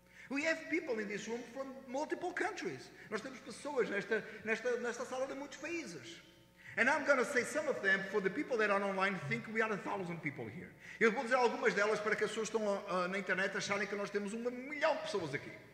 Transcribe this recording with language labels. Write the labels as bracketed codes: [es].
[en] We have people in this room from multiple countries. [pt] Nós temos pessoas nesta sala de muitos países. [en] And I'm going to say some of them for the people that are online think we are 1,000 people here. [pt] Eu vou dizer algumas delas para que as pessoas estão na internet acharem que nós temos 1 milhão de pessoas aqui.